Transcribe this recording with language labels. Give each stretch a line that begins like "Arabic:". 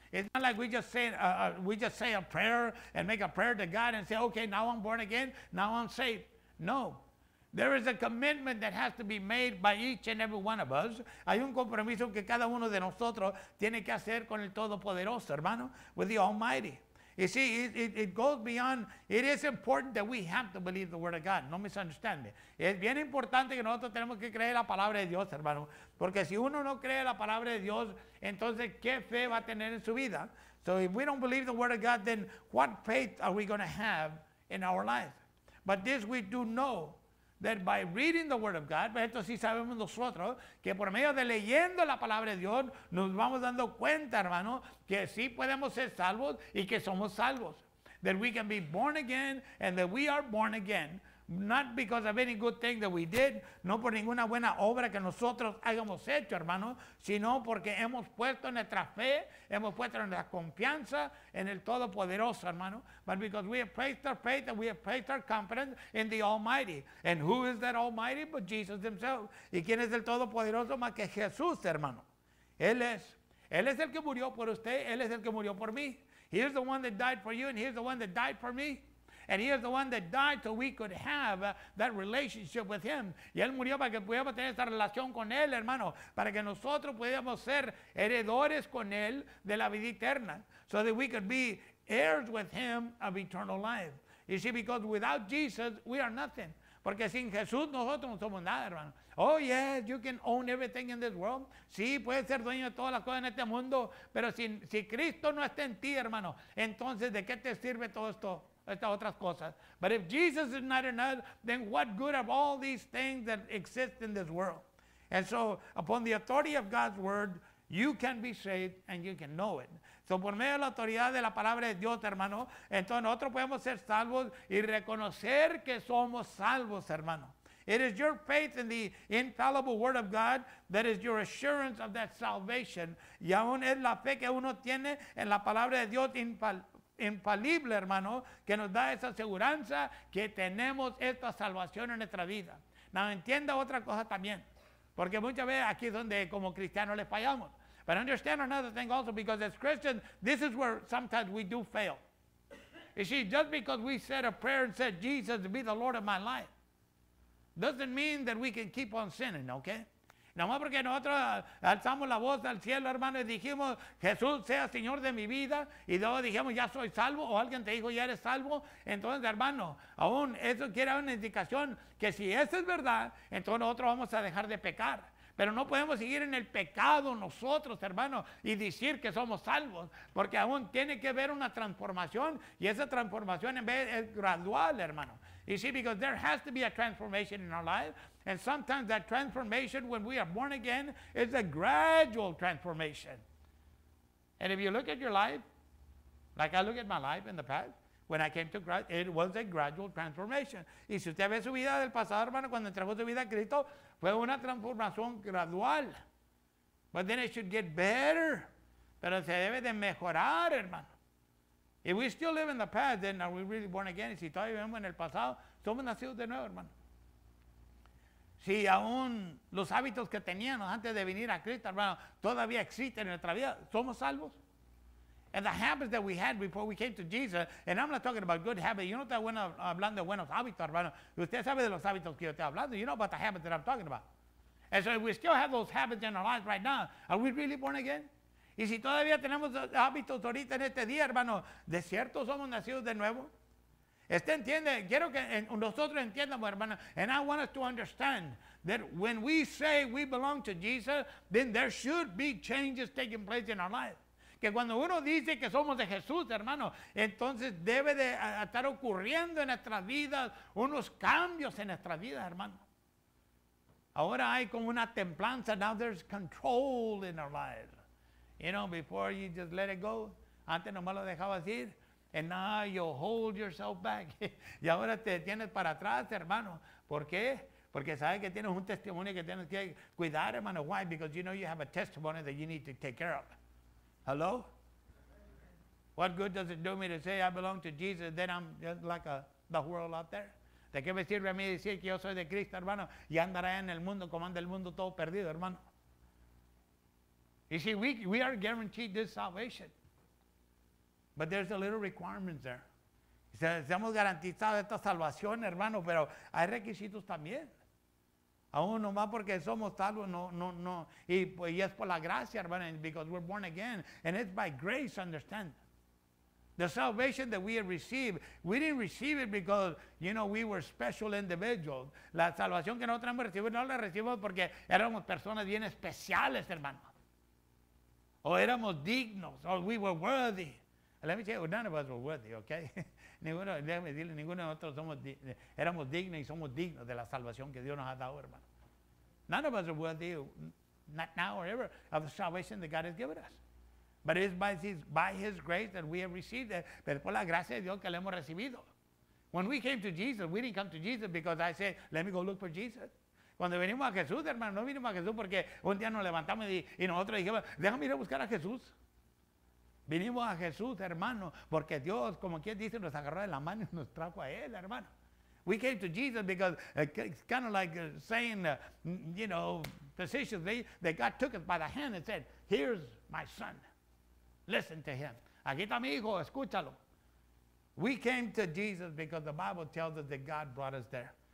English: It's not like we just say a prayer and make a prayer to God and say, okay, now I'm born again, now I'm saved. No. There is a commitment that has to be made by each and every one of us.
Spanish: Hay un compromiso que cada uno de nosotros tiene que hacer con el Todopoderoso, hermano,
English: with the Almighty. You see, it goes beyond, it is important that we have to believe the word of God. No misunderstand me.
Spanish: Es bien importante que nosotros tenemos que creer la palabra de Dios, hermano. Porque si uno no cree la palabra de Dios, entonces, ¿qué fe va a tener en su vida?
English: So if we don't believe the word of God, then what faith are we going to have in our life? But this we do know, that by reading the word of God,
Spanish: esto sí sabemos nosotros, que por medio de leyendo la palabra de Dios, nos vamos dando cuenta, hermano, que sí podemos ser salvos y que somos salvos.
English: That we can be born again and that we are born again, not because of any good thing that we did,
Spanish: no por ninguna buena obra que nosotros hayamos hecho, hermano, sino porque hemos puesto nuestra fe, hemos puesto nuestra confianza en el Todopoderoso, hermano,
English: but because we have placed our faith and we have placed our confidence in the Almighty. And who is that Almighty? But Jesus himself.
Spanish: ¿Y quién es el Todopoderoso más que Jesús, hermano? Él es el que murió por usted, él es el que murió por mí.
English: He is the one that died for you and he is the one that died for me. And he is the one that died so we could have that relationship with him.
Spanish: Y él murió para que pudiéramos tener esa relación con él, hermano, para que nosotros pudiéramos ser heredores con él de la vida eterna.
English: So that we could be heirs with him of eternal life. You see, because without Jesus, we are nothing.
Spanish: Porque sin Jesús, nosotros no somos nada, hermano.
English: Oh, yes, you can own everything in this world.
Spanish: Sí, puedes ser dueño de todas las cosas en este mundo. Pero si Cristo no está en ti, hermano, entonces, ¿de qué te sirve todo esto? Estas otras cosas.
English: But if Jesus is not in us, then what good are all these things that exist in this world? And so, upon the authority of God's word, you can be saved and you can know it.
Spanish: So, por medio de la autoridad de la palabra de Dios, hermano, entonces nosotros podemos ser salvos y reconocer que somos salvos, hermano.
English: It is your faith in the infallible word of God that is your assurance of that salvation.
Spanish: Y aún es la fe que uno tiene en la palabra de Dios infalible, hermano, que nos da esa aseguranza que tenemos esta salvación en nuestra vida. Now, entienda otra cosa también, porque muchas veces aquí es donde como cristianos le fallamos.
English: But understand another thing also, because as Christians, this is where sometimes we do fail. You see, just because we said a prayer and said, Jesus, be the Lord of my life, doesn't mean that we can keep on sinning, okay?
Spanish: No más porque nosotros alzamos la voz al cielo, hermano, y dijimos, Jesús sea Señor de mi vida, y luego dijimos, ya soy salvo, o alguien te dijo, ya eres salvo. Entonces, hermano, aún eso quiere una indicación que si eso es verdad, entonces nosotros vamos a dejar de pecar. Pero no podemos seguir en el pecado nosotros, hermano, y decir que somos salvos, porque aún tiene que haber una transformación, y esa transformación en vez es gradual, hermano.
English: You see, because there has to be a transformation in our life, and sometimes that transformation, when we are born again, is a gradual transformation. And if you look at your life, like I look at my life in the past, when I came to Christ, it was a gradual transformation.
Spanish: Y si usted ve su vida del pasado, hermano, cuando entregó su vida a Cristo, fue una transformación gradual.
English: But then it should get better.
Spanish: Pero se debe de mejorar, hermano.
English: If we still live in the past, then are we really born again?
Spanish: Y si todavía vivimos en el pasado, somos nacidos de nuevo, hermano. Si aún los hábitos que teníamos antes de venir a Cristo, hermano, todavía existen en nuestra vida, somos salvos.
English: And the habits that we had before we came to Jesus, and I'm not talking about good habits. You know what I'm
Spanish: hablando de buenos hábitos, hermano. Usted sabe de los hábitos que yo estoy hablando.
English: You know about the habits that I'm talking about. And so if we still have those habits in our lives right now, are we really born again?
Spanish: Y si todavía tenemos hábitos ahorita en este día, hermano, ¿de cierto somos nacidos de nuevo? Este entiende, quiero que nosotros entiendamos, hermano.
English: And I want us to understand that when we say we belong to Jesus, then there should be changes taking place in our lives.
Spanish: que cuando uno dice que somos de Jesús, hermano, entonces debe de estar ocurriendo en nuestras vidas unos cambios en nuestras vidas, hermano. Ahora hay como una templanza.
English: Now there's control in our lives. You know, before you just let it go.
Spanish: Antes nomás lo dejabas ir.
English: And now you hold yourself back.
Spanish: Y ahora te tienes para atrás, hermano. ¿Por qué? Porque sabes que tienes un testimonio que tienes que cuidar, hermano.
English: Why? Because you know you have a testimony that you need to take care of. Hello? What good does it do me to say I belong to Jesus, then I'm just like the world out there?
Spanish: ¿De qué me sirve a mí decir que yo soy de Cristo, hermano? Y andará en el mundo como anda el mundo todo perdido, hermano.
English: You see, we are guaranteed this salvation. But there's a little requirement there.
Spanish: Seamos garantizados esta salvación, hermano, pero hay requisitos también. Aún no más porque somos salvos, no. Y es por la gracia, hermano,
English: because we're born again. And it's by grace, understand. The salvation that we have received, we didn't receive it because, you know, we were special individuals.
Spanish: La salvación que nosotros hemos recibido, no la recibimos porque éramos personas bien especiales, hermano. O éramos dignos,
English: or we were worthy. Let me tell you, none of us were worthy, okay?
Spanish: Ninguno, déjame decirle, ninguno de nosotros éramos dignos y somos dignos de la salvación que Dios nos ha dado, hermano.
English: None of us are worthy, not now or ever, of the salvation that God has given us. But it is by his grace that we have received it.
Spanish: Pero por la gracia de Dios que le hemos recibido.
English: When we came to Jesus, we didn't come to Jesus because I said, let me go look for Jesus.
Spanish: Cuando venimos a Jesús, hermano, no vinimos a Jesús porque un día nos levantamos y nosotros dijimos, déjame ir a buscar a Jesús. Vinimos a Jesús, hermano, porque Dios, como quien dice, nos agarró de la mano y nos trajo a Él, hermano.
English: We came to Jesus because it's kind of like saying, you know, facetiously, that God took us by the hand and said, here's my son. Listen to him.
Spanish: Aquí está mi hijo, escúchalo.
English: We came to Jesus because the Bible tells us that God brought us there.